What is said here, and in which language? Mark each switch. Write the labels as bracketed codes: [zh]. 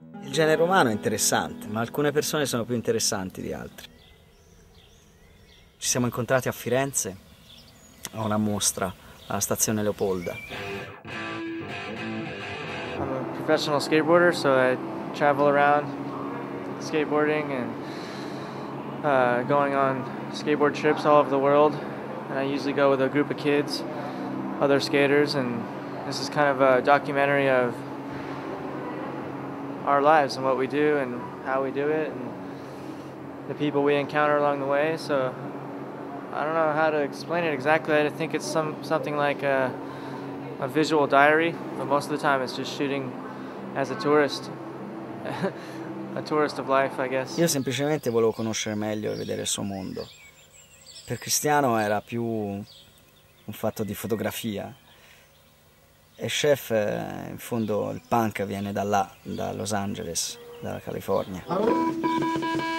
[it] genere umano è interessante, ma alcune persone sono più interessanti di altre. Ci siamo incontrati a Firenze, a una mostra, alla stazione Leopolda. [en] I'm a professional skateboarder, so I travel around skateboarding and going on skateboard trips all over the world. And I usually go with a group of kids, other skaters, and this is kind of a documentary of our lives and what we do and how we do it and the people we encounter along the way. So I don't know how to explain it exactly. I think it's something like a visual diary, but most of the time it's just shooting as a tourist, a tourist of life, I guess. [it] Io semplicemente volevo conoscere meglio e vedere il suo mondo. Per Cristiano era più un fatto di fotografia. E Chef, in fondo, il punk viene da là, da Los Angeles, dalla California.